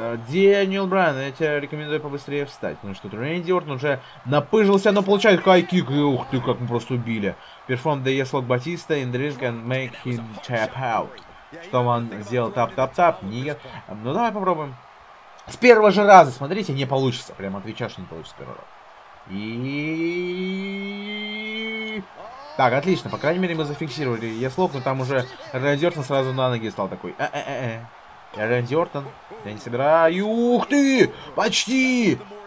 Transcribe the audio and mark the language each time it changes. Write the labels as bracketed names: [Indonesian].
[Russian] Daniel Bryan, я тебе рекомендую побыстрее встать, потому что Рэнди Орт уже напыжился, но получает хайкик, и ух ты, как мы просто убили. [English] Perform the yes lock Batista in the ring and make him tap out. [Russian] Что он сделал? Тап-тап-тап? Нет. Ну давай попробуем. С первого же раза, смотрите, не получится. Прямо отвечаешь, не получится с первого раза. И... Так, отлично, по крайней мере мы зафиксировали. Я слов, но там уже Рэнди Ортон сразу на ноги стал такой. Я Рэнди Ортон. Я не собираю. Ух ты! Почти!